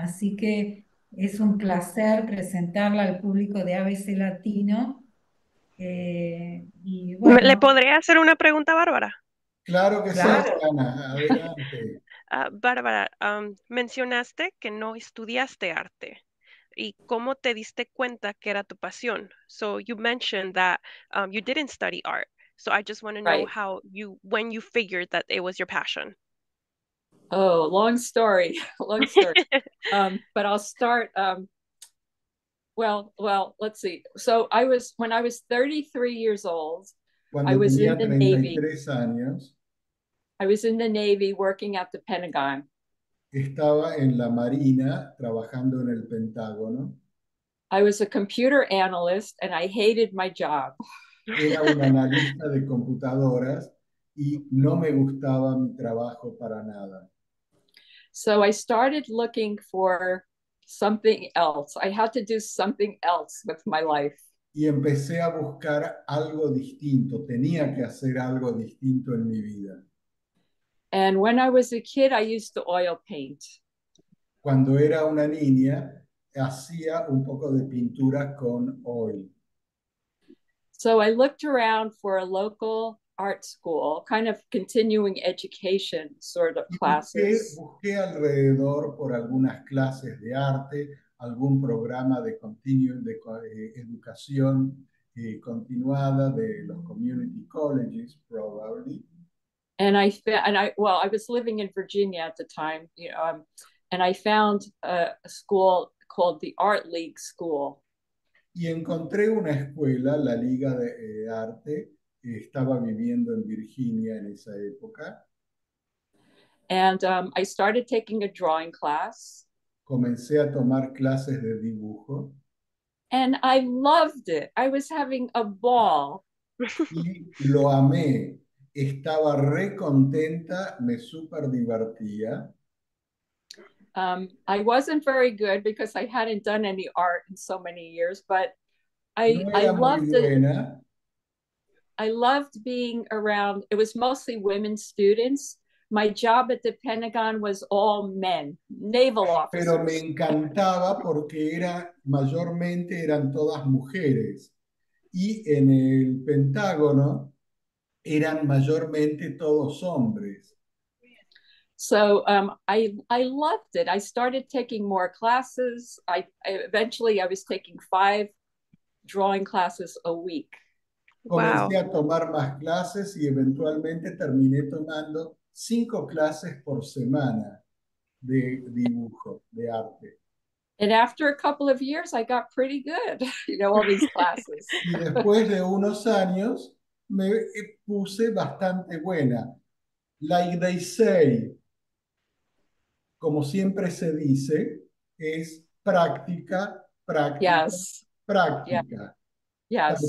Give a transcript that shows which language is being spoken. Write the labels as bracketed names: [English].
[Spanish] Así que es un placer presentarla al público de ABC Latino. Y ¿Le bueno, podría hacer una pregunta a Bárbara? claro que sí, claro. Ana, adelante. Bárbara, mencionaste que no estudiaste arte. ¿Y cómo te diste cuenta que era tu pasión? [English] So you mentioned that you didn't study art. So I just want to know Right. how you when you figured that it was your passion. Oh, long story, long story. But I'll start. Let's see. So I was when I was 33 years old, I [Spanish] Cuando [English] was in [Spanish] tenía [English] the [Spanish] 33 años, [English] Navy working at the Pentagon. [Spanish] estaba en la Marina trabajando en el Pentágono. [English] I was a computer analyst and I hated my job. [Spanish] Era un analista de computadoras y no me gustaba mi trabajo para nada. [English] So I started looking for something else. I had to do something else with my life. [Spanish] Y empecé a buscar algo distinto, tenía que hacer algo distinto en mi vida. [English] And when I was a kid, I used to oil paint. [Spanish] Cuando era una niña, hacía un poco de pintura con oil. [English] So I looked around for a local art school, kind of continuing education sort of classes. [Spanish] Busqué alrededor por algunas clases de arte, algún programa de continuum de educación continuada de los [English] community colleges, probably. And I was living in Virginia at the time, and I found a school called the Art League School. [Spanish] Y encontré una escuela, la Liga de Arte. Estaba viviendo en Virginia en esa época. [English] And I started taking a drawing class. [Spanish] Comencé a tomar clases de dibujo. [English] And I loved it. I was having a ball. [Spanish] Y lo amé. Estaba re contenta, me super divertía. [English] I wasn't very good because I hadn't done any art in so many years, but I loved it. [Spanish] Buena. [English] I loved being around, it was mostly women students. My job at the Pentagon was all men, naval officers. [Spanish] Pero me encantaba porque era mayormente eran todas mujeres. Y en el Pentágono eran mayormente todos hombres. [English] So I loved it. I started taking more classes. I was taking 5 drawing classes a week. [Spanish] Comencé a tomar más clases y eventualmente terminé tomando 5 clases por semana de dibujo, de arte. [English] And after a couple of years, I got pretty good, all these classes. [Spanish] Y después de unos años, me puse bastante buena. [English] Like they say, [Spanish] como siempre se dice, es práctica, práctica, [English] yes. [Spanish] práctica. [English] Yeah. Yes,